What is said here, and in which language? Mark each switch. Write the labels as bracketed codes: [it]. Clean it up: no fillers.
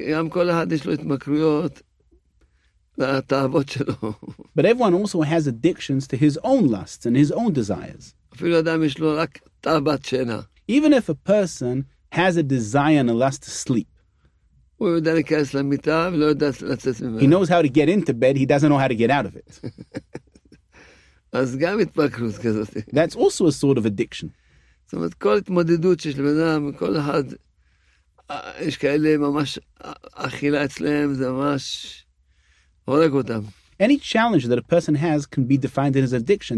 [he] גם כל אחד יש לו התמכרויות לתאוות שלו. [en] But everyone also has addictions to his own lusts and his own desires. [he] אפילו אדם יש לו רק תאוות שינה. [en] Even if a person has a desire and a lust to sleep, he knows how to get into bed, he doesn't know how to get out of it. That's also a sort of addiction. Any challenge that a person has can be defined as addiction.